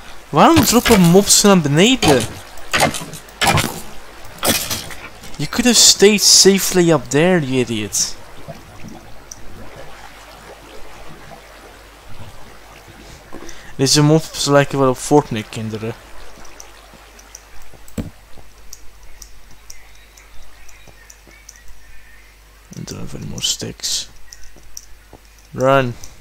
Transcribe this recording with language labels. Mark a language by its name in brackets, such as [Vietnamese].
[Dutch] Waarom droppen mobs naar beneden? [English] You could have stayed safely up there, you idiot. [Dutch] Deze mobs lijken wel op Fortnite kinderen. [English] I don't have any more sticks. Run.